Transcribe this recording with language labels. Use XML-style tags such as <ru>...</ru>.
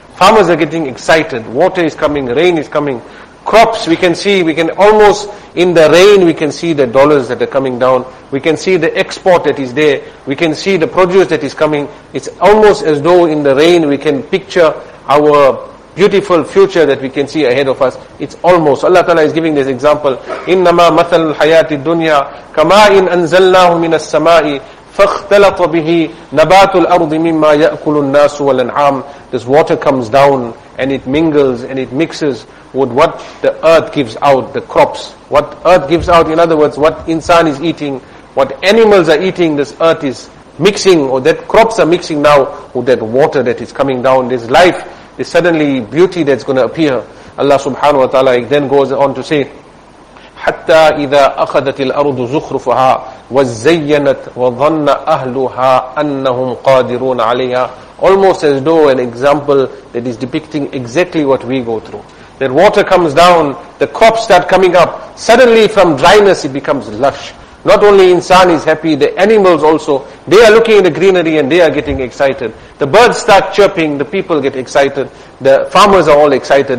<en>Farmers are getting excited, water is coming, rain is coming, crops we can see, we can almost, in the rain we can see the dollars that are coming down, we can see the export that is there, we can see the produce that is coming. It's almost as though in the rain we can picture our beautiful future that we can see ahead of us. It's almost, Allah Ta'ala is giving this example,</en> <ar>إِنَّمَا مَثَلُ الْحَيَاةِ الدُّنْيَا كَمَا إِنْ أَنْزَلْنَاهُ مِنَ السَّمَاءِ فاختلط به نبات الأرض مما يأكل الناس والأنعام.</ar> <en>This water comes down and it mingles and it mixes with what the earth gives out, the crops. What earth gives out, in other words, what insan is eating, what animals are eating, this earth is mixing, or that crops are mixing now with that water that is coming down. This life is suddenly beauty that's going to appear. Allah subhanahu wa ta'ala then goes on to say,</en> <ar>حتى إذا أخذت الأرض زخرفها وزينت وظن أهلها أنهم قادرون عليها.</ar> <en>Almost as though an example that is depicting exactly what we go through. That water comes down, the crops start coming up. Suddenly from dryness it becomes lush. Not only insan is happy, the animals also, they are looking at the greenery and they are getting excited. The birds start chirping, the people get excited, the farmers are all excited.</en>